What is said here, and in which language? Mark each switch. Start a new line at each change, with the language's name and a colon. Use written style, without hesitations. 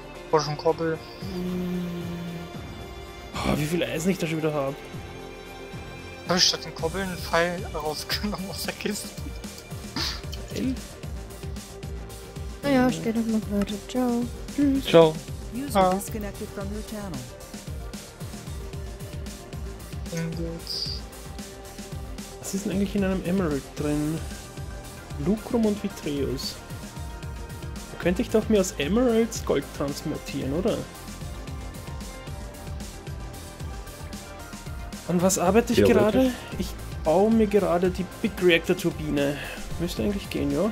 German: Forschen Koppel. Oh, wie viel Eisen ich da schon wieder habe. Habe ich statt den Koppeln einen Pfeil rausgenommen aus der Kiste? Pfeil? Naja, ich geh doch noch weiter. Ciao. Tschüss. Ciao.
English: User disconnected from your channel. Ingots.
German: Was ist denn eigentlich in einem Emerald drin? Lucrum und Vitreus. Da könnte ich doch mir aus Emeralds Gold transmutieren, oder? An was arbeite ich gerade? Ich baue mir gerade die Big Reactor Turbine. Müsste eigentlich gehen, ja?